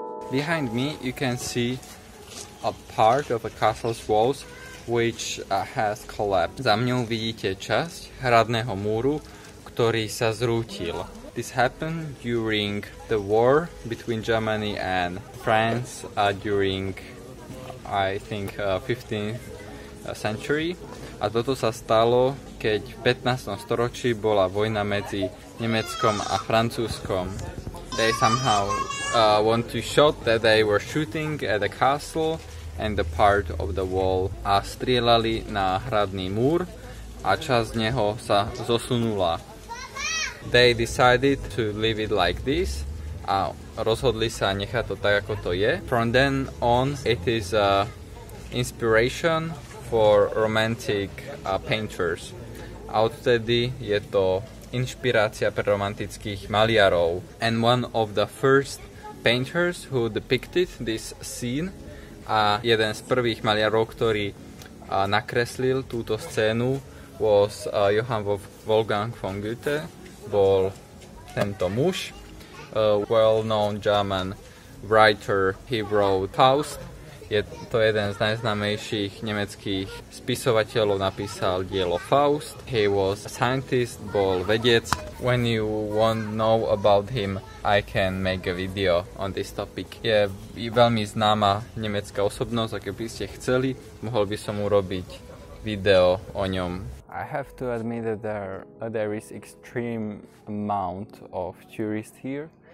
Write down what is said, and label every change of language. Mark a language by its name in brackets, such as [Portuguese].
[English] Behind me you can see a part of a castle's walls which has collapsed. [Slovak] Za mňou vidíte časť hradného múru, ktorý sa zrútil. [English] This happened during the war between Germany and France during, I think, 15th century. [Slovak] A toto sa stalo, keď v 15. storočí bola vojna medzi Nemeckom a Francúzskom. [English] They somehow want to show that they were shooting at the castle and the part of the wall. [Slovak] A strieľali na hradný múr a časť z neho sa zosunula. [English] They decided to leave it like this [Slovak] a rozhodli sa nechať to tak, ako to je. [English] From then on, it is an inspiration for romantic painters. [Slovak] A odtedy je to inšpirácia pre romantických maliarov. [English] And one of the first painters who depicted this scene [Slovak] a jeden z prvých maliarov, ktorý nakreslil túto scénu, [English] was Johann Wolfgang von Goethe. [Slovak] Bol tento muž, [English] a well-known German writer. He wrote Faust. [Slovak] Je to jeden z najznámejších nemeckých spisovateľov, napísal dielo Faust. [English] He was a scientist, [Slovak] bol vedec. [English] When you want to know about him, I can make a video on this topic. [Slovak] Je veľmi známa nemecká osobnosť, a keby ste chceli, mohol by som urobiť video o ňom. [English] I have to admit that there is extreme amount of tourists here.